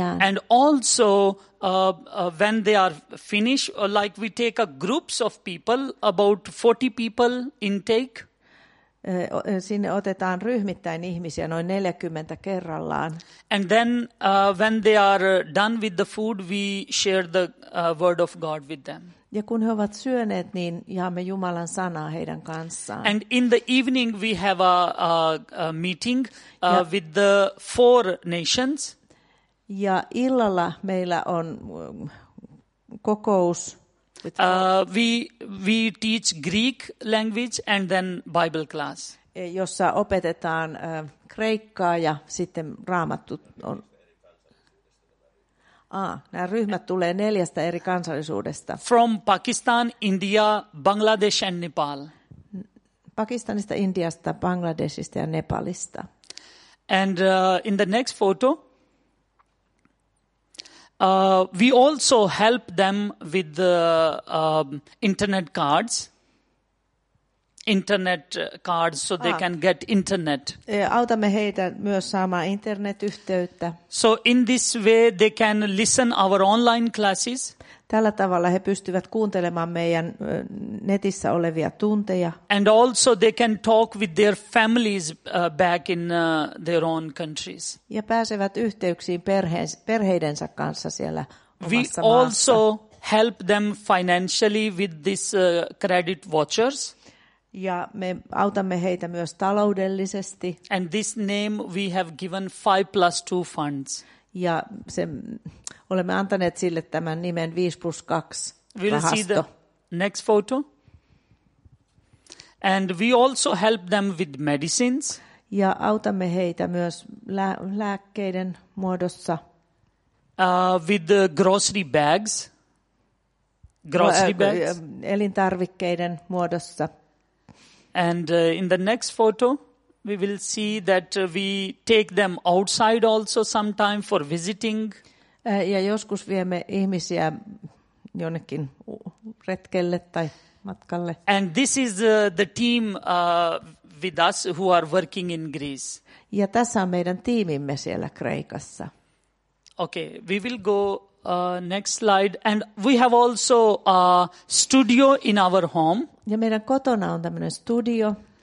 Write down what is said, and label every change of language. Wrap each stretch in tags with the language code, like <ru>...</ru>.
<en>And also when they are finished, like we take a groups of people, about 40 people intake.</en> <fi>Sinne otetaan ryhmittäin ihmisiä noin 40 kerrallaan.</fi> <en>And then when they are done with the food, we share the word of God with them.</en> <fi>Ja kun he ovat syöneet, niin jaamme Jumalan sanaa heidän kanssaan.</fi> <en>And in the evening we have a meeting with the four nations.</en> <fi>Ja illalla meillä on kokous.</fi> <en>We teach Greek language and then Bible class.</en> <fi>Jossa opetetaan kreikkaa ja sitten raamattu on. Nämä ryhmät tulee neljästä eri kansallisuudesta.</fi> <en>From Pakistan, India, Bangladesh and Nepal.</en> <fi>Pakistanista, Indiasta, Bangladeshista ja Nepalista.</fi> <en>And in the next photo, we also help them with the internet cards. Internet cards, so they can get internet.</en> <fi>Autamme heitä myös saamaan internetyhteyttä.</fi> <en>So in this way they can listen our online classes.</en> <fi>Tällä tavalla he pystyvät kuuntelemaan meidän netissä olevia tunteja.</fi> <en>And also they can talk with their families back in their own countries.</en> <fi>Ja pääsevät yhteyksiin perheidensä kanssa siellä omassa</fi> <en>we</en> <fi>maassa.</fi> <en>Also help them financially with this credit vouchers.</en> <fi>Ja me autamme heitä myös taloudellisesti.</fi> <en>And this name we have given 5+2 funds.</en> <fi>Ja olemme antaneet sille tämän nimen 5+2</fi> <en>we'll</en> <fi>rahasto.</fi> <en>See the next photo. And we also help them with medicines.</en> <fi>Ja autamme heitä myös lääkkeiden muodossa.</fi> <en>With the grocery bags. Grocery bags.</en> <fi>Elintarvikkeiden muodossa.</fi> <en>And in the next photo, we will see that we take them outside also sometime for visiting.</en> <fi>Ja joskus viemme ihmisiä jonnekin retkelle tai matkalle.</fi> <en>And this is the team with us who are working in Greece.</en> <fi>Ja tässä on meidän tiimimme siellä Kreikassa.</fi> <en>Okay, we will go next slide. And we have also a studio in our home.</en> <fi>Ja meidän kotona on tämmöinen studio.</fi>